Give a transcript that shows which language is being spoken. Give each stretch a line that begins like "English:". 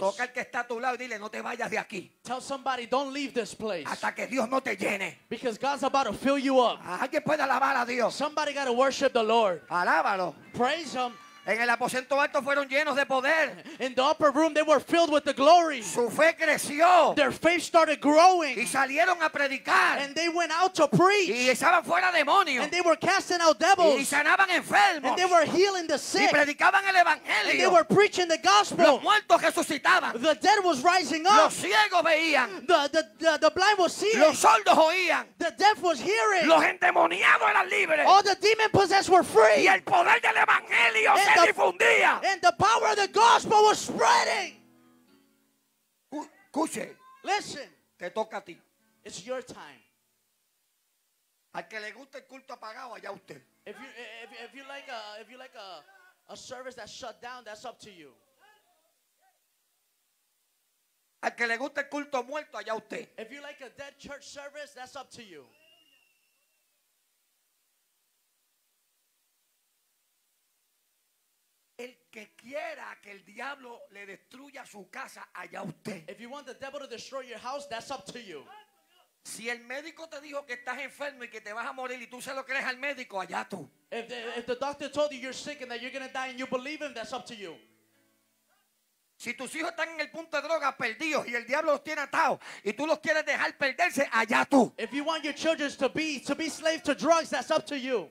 Spanish: Toca el que está a tu lado y dile, no te vayas de aquí.
English: Tell somebody, don't leave this place.
Spanish: Hasta que Dios no te llene.
English: Because God's about to fill you up.
Spanish: Alguien puede alabar a Dios.
English: Somebody got to worship the Lord.
Spanish: Alábalo.
English: Praise him.
Spanish: En el aposento alto fueron llenos de poder.
English: In the upper room they were filled with the glory.
Spanish: Su fe creció.
English: Their faith started growing.
Spanish: Y salieron a predicar.
English: And they went out to preach.
Spanish: Y echaban fuera demonios.
English: And they were casting out devils.
Spanish: Y sanaban enfermos.
English: And they were healing the sick.
Spanish: Y predicaban el evangelio.
English: And they were preaching the gospel.
Spanish: Los muertos resucitaban.
English: The dead was rising up.
Spanish: Los ciegos veían.
English: The blind was seeing.
Spanish: Los sordos oían.
English: The deaf was hearing.
Spanish: Los endemoniados eran libres.
English: All the demon possessed were free.
Spanish: Y el poder del evangelio.
English: And the power of the gospel was spreading.
Spanish: Escuche.
English: Listen.
Spanish: Te toca a ti.
English: It's your time.
Spanish: Al que le guste el culto apagado, allá usted.
English: If you like a service that's shut down, that's up to you.
Spanish: Al que le guste el culto muerto, allá usted.
English: If you like a dead church service, that's up to you.
Spanish: El que quiera que el diablo le destruya su casa, allá usted.
English: If you want the devil to destroy your house, that's up to you.
Spanish: Si el médico te dijo que estás enfermo y que te vas a morir y tú se lo crees al médico, allá tú.
English: If the doctor told you you're sick and that you're going to die and you believe him, that's up to you.
Spanish: Si tus hijos están en el punto de droga perdidos y el diablo los tiene atados y tú los quieres dejar perderse, allá tú.
English: If you want your children to be slaves to drugs, that's up to you.